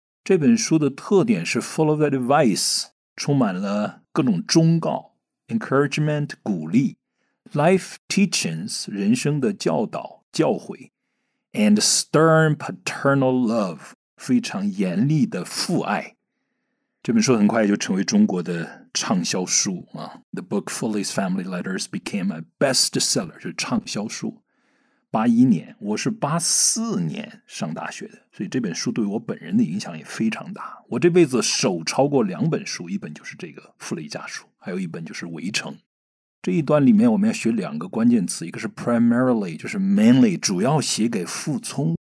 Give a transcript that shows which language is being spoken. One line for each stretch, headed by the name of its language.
Chinese: 这本书的特点是
English: full of advice，
Chinese: 充满了各种忠告，encouragement 鼓励，
English: life teachings
Chinese: 人生的教导教诲，
English: and stern paternal love
Chinese: 非常严厉的父爱。这本书很快就成为中国的畅销书啊。
English: The book Foley's Family Letters became a bestseller，
Chinese: 就是畅销书。 81年，我是84年上大学的，所以这本书对我本人的影响也非常大。我这辈子手抄过两本书，一本就是这个傅雷家书，还有一本就是《围城》。这一段里面我们要学两个关键词，一个是 primarily， 就是 mainly， 主要写给傅聪。